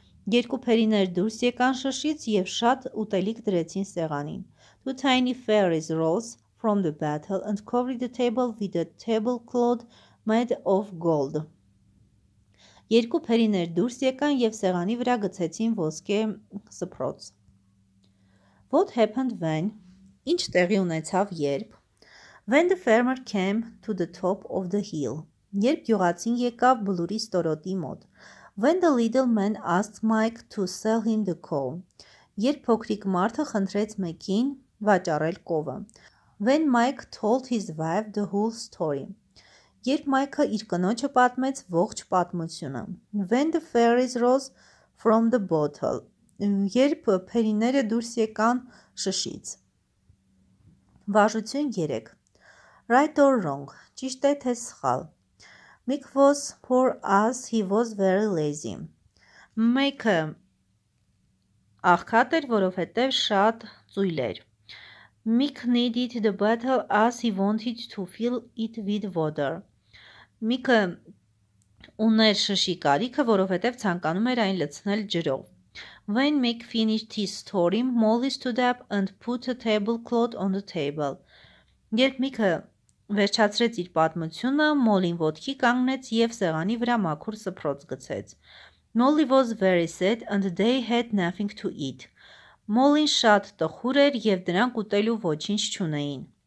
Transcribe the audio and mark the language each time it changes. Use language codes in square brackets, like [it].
[hy] Երկու փերիներ դուրս եկան շշից և շատ ուտելիք դրեցին սեղանին։ [en] Two tiny fairies rose from the battle and covered the table with a tablecloth made of gold. [hy] Երկու փերիներ դուրս եկան և սեղանի վրա գցեցին ոսկե սպրոց։ [en] What happened when? [hy] Ինչ տեղի ունեցավ երբ? [en] When the farmer came to the top of the hill. [hy] Երբ գյուղացին եկավ բլուրի ստորոտի մոտ. [en] When the little man asked Mike to sell him the cow. [hy] Երբ փոքրիկ մարդը խնդրեց մեկին վաճառել կովը. [en] When Mike told his wife the whole story. [hy] Երբ Mike-ը իր կնոջը պատմեց ողջ պատմությունը. [en] When the fairies rose from the bottle. [hy] Երբ փերիները դուրս եկան շշից։ Վարժություն 3. [en] Right or wrong, [hy] ճիշտ է թե սխալ։ [en] Mike was poor as he was very lazy. [hy] Mike-ը աղքատ էր, որովհետև շատ ծույլ էր։ [en] Mike needed the bottle as he wanted to fill it with water. [hy] Mike-ը ուներ շշի կարիքը, որովհետև ցանկանում էր այն լցնել ջրով։ [en] When Mike finished his story, Molly stood up and put a tablecloth on the table. [hy] Երբ Mike վերջացրեց իր պատմությունը, Molly-ն ոտքի կանգնեց և սեղանի վրա մաքուր սպրոց գցեց. [en] Molly was very sad and they had nothing to eat. [hy] Molly-ն շատ տխուր էր և դրանք ուտելու ոչինչ չունեին.